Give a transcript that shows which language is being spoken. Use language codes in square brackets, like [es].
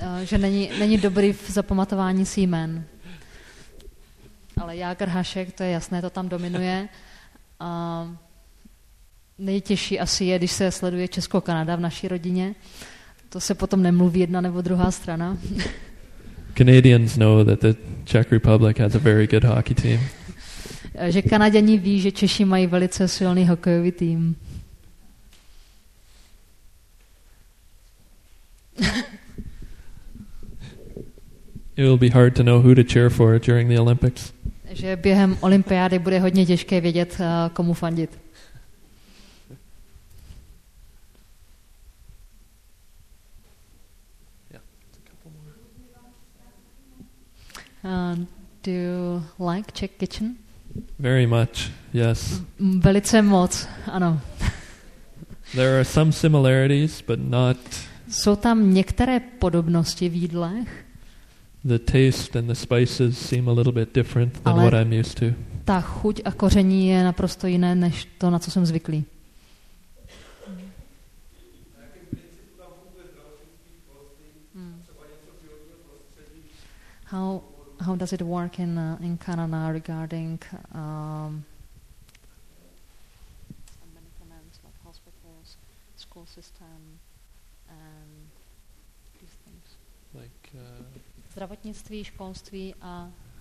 [cs] Že není dobrý v zapamatování si jmen. Ale Jager, Hašek, to je jasné, to tam dominuje. Nejtěžší asi je, když se sleduje Česko-Kanada v naší rodině. To se potom nemluví jedna nebo druhá strana. [en] Canadians know that the Czech Republic has a very good hockey team. [cs] Že Kanaděni ví, že Češi mají velice silný hokejový tým. [en] It will be hard to know who to cheer for during the Olympics. [cs] Že během olympiády bude hodně těžké vědět, komu fandit. [en] Do you like Czech kitchen? Very much, yes. [cs] Velice moc, ano. [en] There are some similarities, but not. [cs] Jsou tam některé podobnosti v jídlech. [en] The taste and the spices seem a little bit different than what I'm used to. [cs] Ta chuť a koření je naprosto jiné než to, na co jsem zvyklý. [en] How does it work in Canada regarding medicaments, like hospitals, school system, and these things? Like [cs] zdravotnictví, školství a